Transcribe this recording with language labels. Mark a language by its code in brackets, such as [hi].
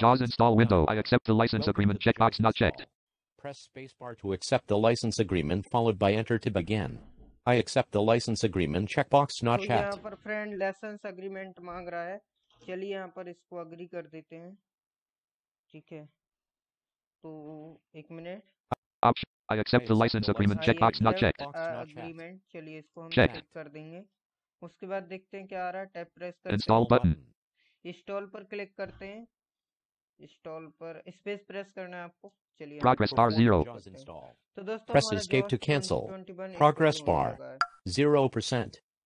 [en] Jos install window, I accept the licence agreement, checkbox not checked. Press space bar to accept the licence agreement followed by enter to begin. I accept the license agreement checkbox not [hi] तो [en] checked. [hi] यहाँ पर friend license agreement मांग रहा है, चलिए यहाँ पर इसको agree कर देते हैं, ठीक है। तो एक minute, [en] I accept the license agreement checkbox not checked. [hi] Agreement, चलिए इसको हम check कर देंगे। उसके बाद देखते हैं क्या आ रहा है, tap press करते हैं, [en] install button, [hi] install पर click करते हैं, install पर space press करना है आपको। [en] Progress bar 0. [hi] तो दोस्तों [en] press escape to cancel. Progress bar 0%.